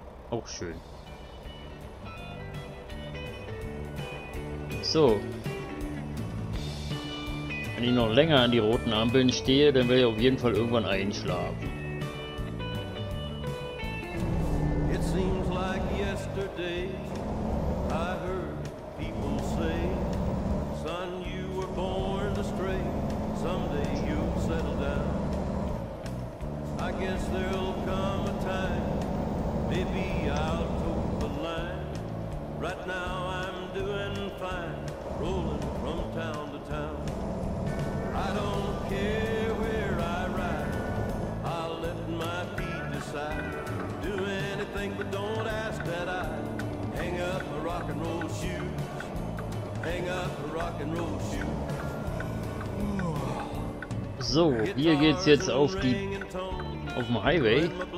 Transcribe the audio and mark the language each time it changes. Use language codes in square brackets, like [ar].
[de] auch schön. So. Wenn ich noch länger an die roten Ampeln stehe, dann werde ich auf jeden Fall irgendwann einschlafen. [en] It seems like yesterday I heard people say, son, you were born astray, someday you'll settle down. I guess there'll come a time, maybe I'll toe the line. Right now I'm doing fine, rolling from town to town. I don't care where I ride, I'll let my feet decide. Do anything but don't ask that I hang up my rock and roll shoes. Hang up my rock and roll shoes. [de] So, hier geht's jetzt auf die auf dem Highway.